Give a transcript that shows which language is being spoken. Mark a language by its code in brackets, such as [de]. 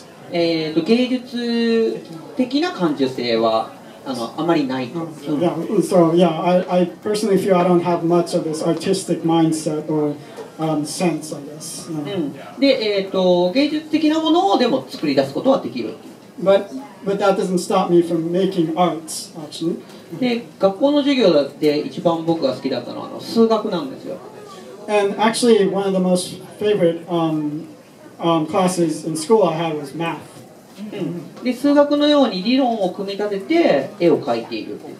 [ja] 芸術的な感受性は あまりない。 [en] Yeah, so yeah, I personally feel I don't have much of this artistic mindset or sense, I guess. [ja] で、芸術的なものをでも作り出すことはできる。 [en] But that doesn't stop me from making art, actually. [ja] で、学校の授業で一番僕が好きだったのは数学なんですよ。 [en] And actually, one of the most favorite classes in school I had was math. [ja] で、数学のように理論を組み立てて絵を描いている。